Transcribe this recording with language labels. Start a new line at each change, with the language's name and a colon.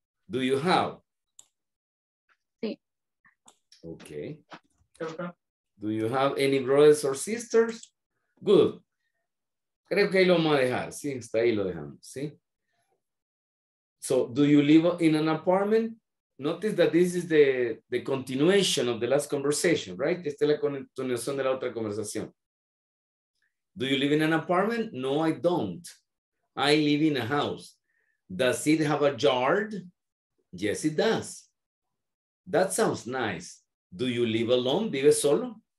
English: Do you have?
Spanish: Sí.
English: Okay. Do you have any brothers or sisters? Good.
Spanish: Creo que ahí lo vamos a dejar, sí, está ahí lo dejamos, sí.
English: So, do you live in an apartment? Notice that this is the continuation of the last conversation, right?
Spanish: Esta es la continuación de la otra conversación.
English: Do you live in an apartment? No, I don't. I live in a house. Does it have a yard? Yes, it does. That sounds nice. Do you live alone?
Spanish: ¿Vive solo?